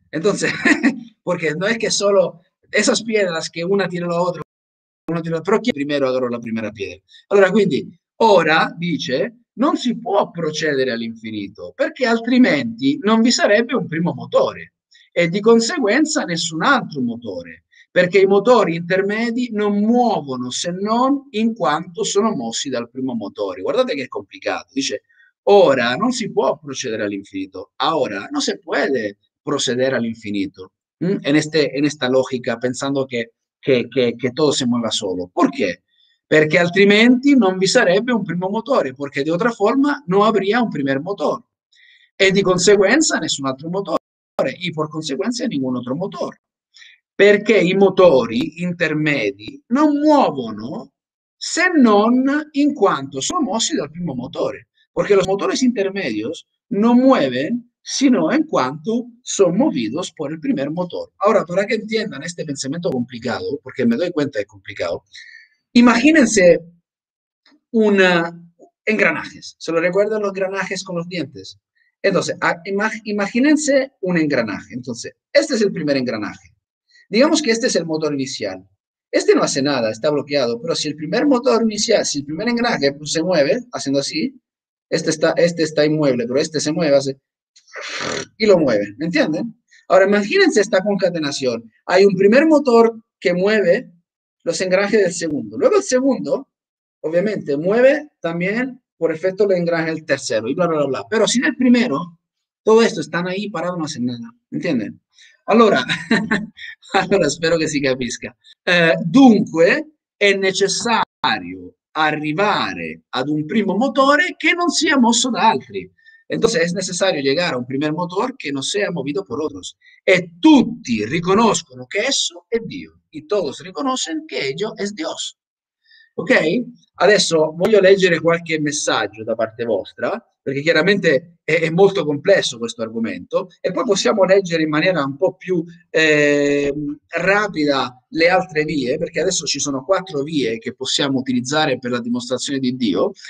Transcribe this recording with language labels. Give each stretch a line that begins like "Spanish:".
Spanish: Entonces, porque no es que solo esas piedras que una tiene la otra, una tiene la otra, pero ¿quién primero agarró la primera piedra?
Italian: Allora, quindi, ora, dice, non si può procedere all'infinito, perché altrimenti non vi sarebbe un primo motore e di conseguenza nessun altro motore, perché i motori intermedi non muovono se non in quanto sono mossi dal primo motore. Guardate che è complicato. Dice, ora non si può procedere all'infinito, ora non si può procedere all'infinito, in questa logica, pensando che tutto si muova solo. Perché? Perché altrimenti non vi sarebbe un primo motore, perché di altra forma non avrebbe un primo motore. E di conseguenza nessun altro motore, e per conseguenza nessun altro motore. Perché i motori intermedi non muovono se non in quanto sono mossi dal primo motore. Perché i motori intermedios non muovono se non in quanto sono
Spanish: movidos por el primer motor. Ora, para que entiendan este pensamiento complicado, porque me doy cuenta que es complicado. Imagínense engranajes. ¿Se lo recuerdan los engranajes con los dientes? Entonces, imagínense un engranaje. Entonces, este es el primer engranaje. Digamos que este es el motor inicial. Este no hace nada, está bloqueado, pero si el primer motor inicial, si el primer engranaje pues, se mueve, haciendo así, este está inmueble, pero este se mueve, hace y lo mueve, ¿me entienden? Ahora, imagínense esta concatenación. Hay un primer motor que mueve los engranajes del segundo. Luego el segundo, obviamente, mueve también por efecto del engranaje del tercero y bla, bla, bla, bla. Pero sin el primero, todo esto están ahí parados, no hacen nada. ¿Entienden?
Italian: Allora, allora
Spanish: espero que
Italian: si capisca. Dunque, è necessario arrivare ad un primo motore che non sia mosso da altri.
Spanish: Entonces, es necesario llegar a un primer motor que no sea movido por otros.
Italian: E tutti riconoscono che esso è Dio.
Spanish: Y todos reconocen que ello es Dios. ¿Ok?
Italian: Adesso voglio leggere qualche messaggio da parte vostra, perché chiaramente è molto complesso questo argomento, e poi possiamo leggere in maniera un po' più rapida le altre vie, perché adesso ci sono quattro vie che possiamo utilizzare per la dimostrazione di Dio.